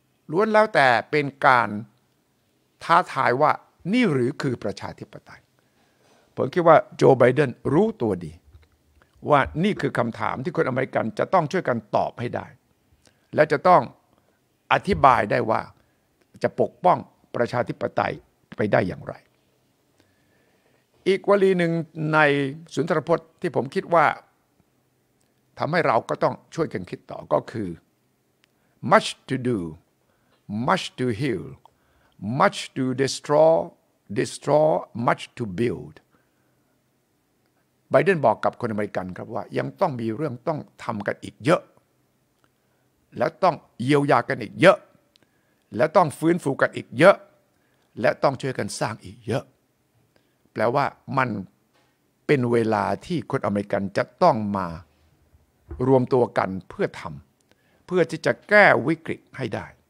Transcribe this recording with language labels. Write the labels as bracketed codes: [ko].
[th] ล้วนแล้วแต่เป็นการท้าทายว่านี่หรือคือประชาธิปไตยผมคิดว่าโจไบเดนรู้ตัวดีว่านี่คือคำถามที่คนอเมริกันจะต้องช่วยกันตอบให้ได้และจะต้องอธิบายได้ว่าจะปกป้องประชาธิปไตยไปได้อย่างไรอีกวลีหนึ่งในสุนทรพจน์ที่ผมคิดว่าทำให้เราก็ต้องช่วยกันคิดต่อก็คือ [en] much to do, much to heal, much to destroy, destroy, much to build. [th] ไบเดนบอกกับคนอเมริกันครับว่ายังต้องมีเรื่องต้องทำกันอีกเยอะและต้องเยียวยากันอีกเยอะและต้องฟื้นฟูกันอีกเยอะและต้องช่วยกันสร้างอีกเยอะแปลว่ามันเป็นเวลาที่คนอเมริกันจะต้องมารวมตัวกันเพื่อทำเพื่อที่จะแก้วิกฤตให้ได้